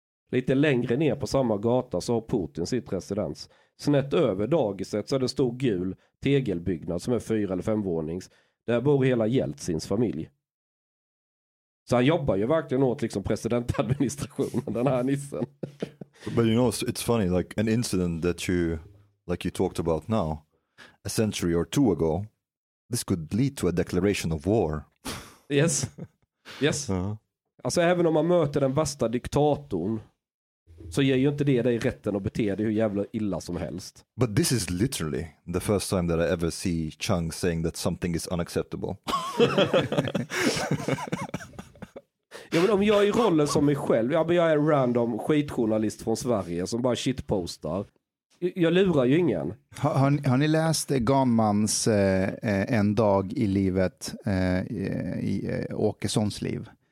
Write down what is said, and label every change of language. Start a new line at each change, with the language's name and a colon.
Swedish: Lite längre ner på samma gata så har Putin sitt residens. Snett över dagiset så är det en stor gul tegelbyggnad som är 4 eller 5 vånings. Där bor hela Jeltsins familj. Så han jobbar ju verkligen åt liksom presidentadministrationen, den här nissen.
English: But you know, it's funny, like an incident that you, like you talked about now, a century or two ago, this could lead to a declaration of war. Yes. Yes. Uh-huh.
Swedish: Alltså även om man möter den värsta diktatorn, så ger ju inte det dig rätten att bete dig hur jävla illa som helst.
English: But this is literally the first time that I ever see Chang saying that something is unacceptable.
Swedish: Ja, men om jag är i rollen som mig själv, ja, men jag är en random skitjournalist från Sverige som bara shitpostar. Jag lurar ju ingen. Har ni läst Gammans En dag i livet, i Åkessons liv?